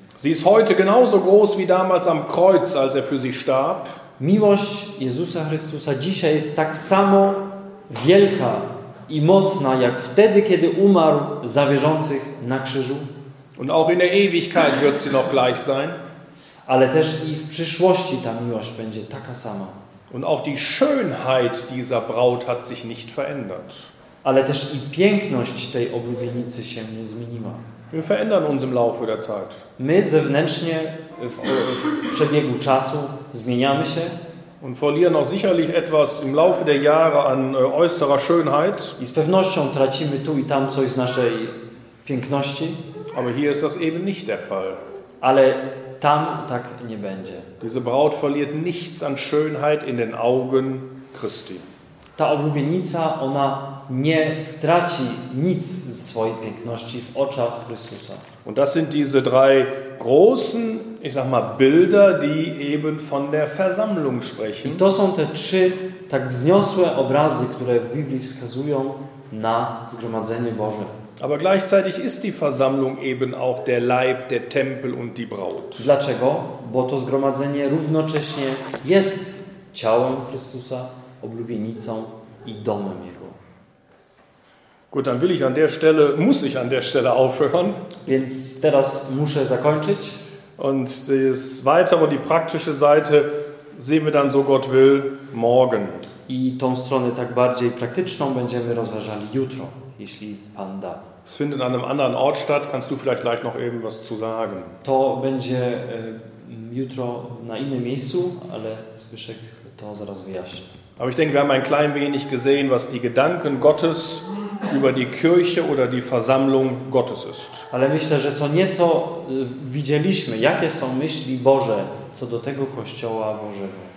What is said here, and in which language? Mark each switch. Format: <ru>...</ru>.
<de>Sie ist heute genauso groß wie damals am Kreuz, als er für sie starb.</de> <pl>Miłość Jezusa Chrystusa dzisiaj jest tak samo wielka i mocna, jak wtedy, kiedy umarł za wierzących na krzyżu.</pl> <de>Und auch in der Ewigkeit wird sie noch gleich sein.</de> <pl>Ale też i w przyszłości ta miłość będzie taka sama.</pl> <de>Und auch die Schönheit dieser Braut hat sich nicht verändert.</de> <pl>Ale też i piękność tej oblubienicy się nie zmieniła.</pl> <de>Wir verändern uns im Laufe der Zeit.</de> <pl>My zewnętrznie w przebiegu czasu zmieniamy się.</pl> <de>Und verlieren auch sicherlich etwas im Laufe der Jahre an äußerer Schönheit.</de> <pl>I z pewnością tracimy tu i tam coś z naszej piękności.</pl> <de>Aber hier ist das eben nicht der Fall.</de> <pl>Ale tam tak nie będzie.</pl> <de>Diese Braut verliert nichts an Schönheit in den Augen Christi.</de> <pl>Ta oblubienica, ona nie straci nic z swojej piękności w oczach Chrystusa.</pl> <de>Und das sind diese drei großen, ich sag mal, Bilder, die eben von der Versammlung sprechen.</de> <pl>I to są te trzy tak wzniosłe obrazy, które w Biblii wskazują na zgromadzenie Boże.</pl> <de>Aber gleichzeitig ist die Versammlung eben auch der Leib, der Tempel und die Braut.</de> <pl>Dlaczego? Bo to zgromadzenie równocześnie jest ciałem Chrystusa, oblubienicą i domem Jego.</pl> <de>Gut, dann will ich an der Stelle, muss ich an der Stelle aufhören.</de> <pl>Więc teraz muszę zakończyć.</pl> <de>Und das weitere, die praktische Seite, sehen wir dann, so Gott will, morgen.</de> <pl>I tą stronę tak bardziej praktyczną będziemy rozważali jutro. Jeśli Pan da.</pl> <de>Es findet an einem anderen Ort statt, kannst du vielleicht gleich noch eben was zu sagen.</de> <pl>To będzie jutro na innym miejscu, ale Zbyszek to zaraz wyjaśni.</pl> <de>Aber ich denke, wir haben ein klein wenig gesehen, was die Gedanken Gottes über die Kirche oder die Versammlung Gottes ist.</de> <pl>Ale myślę, że co nieco widzieliśmy, jakie są myśli Boże co do tego Kościoła Bożego.</pl>